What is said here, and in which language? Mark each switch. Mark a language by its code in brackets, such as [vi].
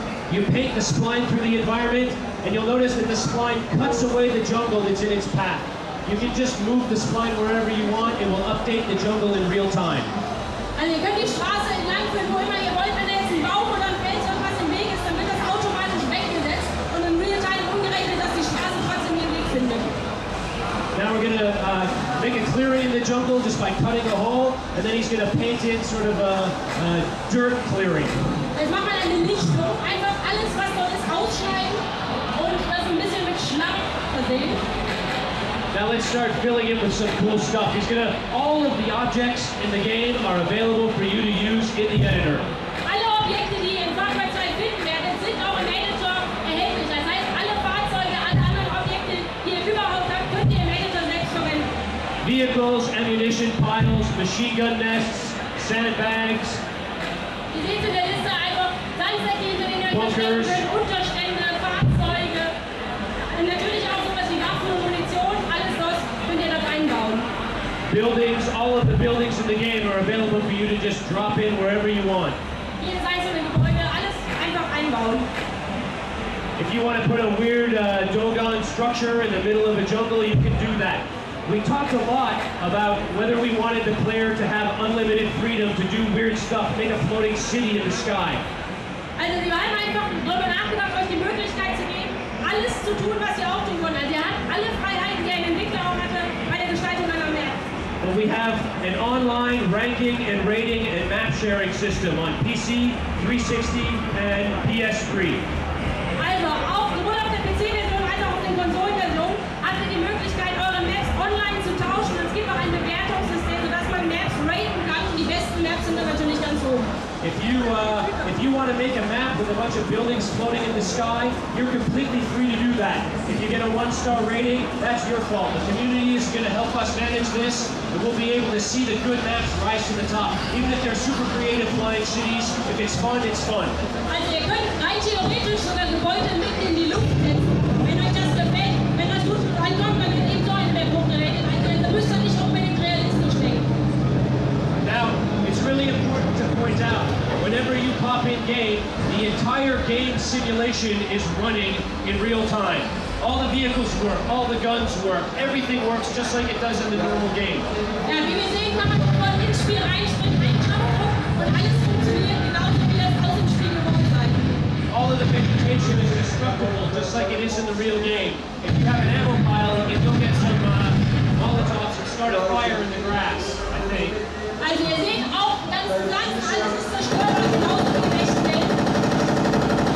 [en] You paint the spline through the environment, and you'll notice that the spline cuts away the jungle that's in its path. You can just move the spline wherever you want, it will update the jungle in real time. [de] Also ihr könnt die Straße entlang führen, wo immer ihr wollt, wenn da jetzt ein Baum oder ein Fels oder was im Weg ist, dann wird das automatisch weggesetzt und [en] in real time [de] umgerechnet, dass die Straße trotzdem ihren Weg findet. [en] Now we're gonna make a clearing in the jungle just by cutting a hole, and then he's gonna paint in sort of a dirt clearing. [de] Jetzt machen wir eine Lichtung, einfach alles, was dort ist, ausschneiden und das ein bisschen mit Schlamm versehen. [en] Now let's start filling it with some cool stuff. He's gonna, all of the objects in the game are available for you to use in the editor. [de] Alle Objekte, die ihr in Far Cry 2 finden werdet, sind auch im Editor erhältlich. Das heißt, alle Fahrzeuge, alle anderen Objekte, die ihr überhaupt habt, könnt ihr im Editor selbst verwenden. [en] Vehicles, ammunition piles, machine gun nests, sandbags. [de] Ihr seht in der Liste einfach Sandsäcke, hinter denen ihr euch verstecken könnt, Unterstände, Fahrzeuge. Und natürlich auch sowas wie Waffen und Munition, alles das könnt ihr dort einbauen. [en] Buildings, all of the buildings in the game are available for you to just drop in wherever you want. [de] Jedes einzelne Gebäude, alles einfach einbauen. [en] If you want to put a weird dogon structure in the middle of a jungle, you can do that. We talked a lot about whether we wanted the player to have unlimited freedom to do weird stuff, make a floating city in the sky. [de] Also, wir haben einfach darüber nachgedacht, euch die Möglichkeit zu geben, alles zu tun, was ihr auch tun wollt. Also, ihr habt alle Freiheiten, die ein Entwickler auch hatte, bei der Gestaltung einer Map. [en] But we have an online ranking and rating and map sharing system on PC, 360 and PS3. [de] Also, auch sowohl auf der PC-Version als auch auf den Konsolen-Version habt ihr die Möglichkeit, eure Maps online zu tauschen. Es gibt auch ein Bewertungssystem, sodass man Maps raten kann. Und die besten Maps sind dann natürlich ganz hoch. [en] If you want to make a map with a bunch of buildings floating in the sky, you're completely free to do that. If you get a one-star rating, that's your fault. The community is going to help us manage this, and we'll be able to see the good maps rise to the top. Even if they're super creative flying cities, if it's fun, it's fun. [de] Also, ihr könnt rein theoretisch sogar Gebäude mit in die Luft setzen. Wenn euch das gefällt, wenn das gut ankommt, dann wird eben so eine Map hochgerechnet. Da müsst ihr nicht unbedingt realistisch denken. [en] Now, it's really important to point out, whenever you pop in game, the entire game simulation is running in real time. All the vehicles work, all the guns work, everything works just like it does in the normal game. [de] Ja, wie wir sehen, kann man sofort ins Spiel reinspringen, einen Knopf drücken und alles funktioniert genauso wie das aus dem Spiel gewohnt sein. [en] All of the vegetation is destructible just like it is in the real game. If you have an ammo pile, you can go get some Molotovs and start a fire in the grass, I think. [de] Also ihr seht auch ganz lang, alles ist zerstört, was genau so wie ich denke.